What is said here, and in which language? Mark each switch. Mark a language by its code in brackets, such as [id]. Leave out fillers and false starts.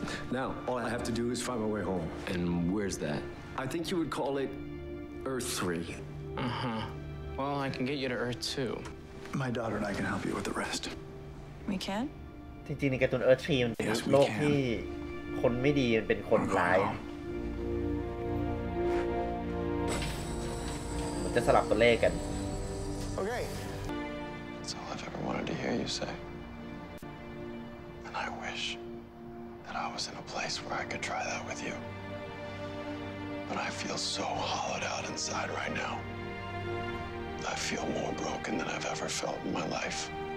[en] Now, all I have to do is find my way home. And where's that? I think you would call it Earth 3. Uh-huh. Well, I can get you to Earth 2. My daughter and I can help you with the rest. We can? [th] จริงๆในการ์ตูน Earth 3 มันเป็นโลกที่คนไม่ดีมันเป็นคนร้ายมันจะสลับตัวเลขกัน [en] Okay. That's all I've ever wanted to hear you say. And I wish... I was in a place where I could try that with you. But I feel so hollowed out inside right now. I feel more broken than I've ever felt in my life.